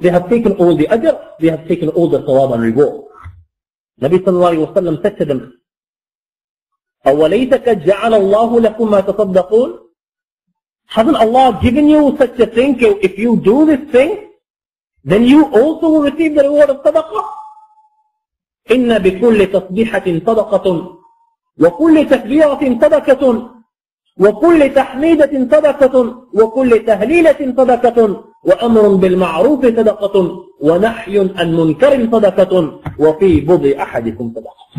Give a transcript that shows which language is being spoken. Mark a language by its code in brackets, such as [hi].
[en] They have taken all the ajr, they have taken all the ثواب and reward. [ar] النبي صلى الله عليه وسلم [en] said to them, [ar] أوليتك جعل الله لكم ما تصدقون? [en] Hasn't Allah given you such a thing? If you do this thing, then you also will receive the reward of صدقة. [ar] إن بكل تصبيحة صدقة وكل تكبيرة صدقة وكل تحميدة صدقة وكل تهليلة صدقة وأمر بالمعروف صدقة ونحي عن منكر صدقة وفي بضع أحدكم صدقة.